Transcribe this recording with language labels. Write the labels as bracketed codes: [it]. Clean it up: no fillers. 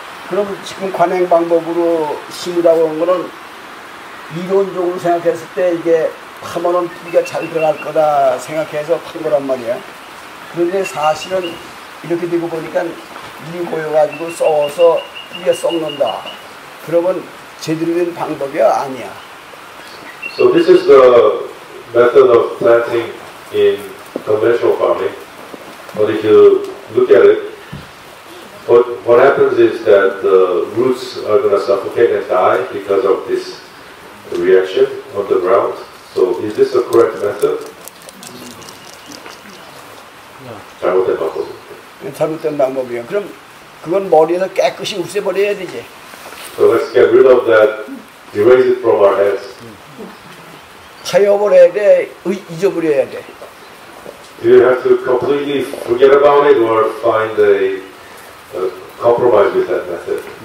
[ko] 그럼 지금 관행 방법으로 심으라고 하는 거는 이론적으로 생각했을 때 이게 파면은 뿌리가 잘 들어갈 거다 생각해서 판 거란 말이야. 그런데 사실은 이렇게 되고 보니까 이 모여가지고 썩어서 뿌리가 썩는다. 그러면 제대로 된 방법이 아니야. [en] So this is the method of planting in conventional farming. But if you look at it, what happens is that the roots are going to suffocate and die because of this reaction on the ground. So is this the correct method? No. [ko] 잘못된 방법이야. 잘못된 방법이야. 그럼 그건 머리에서 깨끗이 없애버려야 되지. [en] So let's get rid of that, erase it from our heads. [ko] 타협을 해야 돼, 잊어버려야 돼. [en] Do you have to completely forget about it or find a compromise with that method?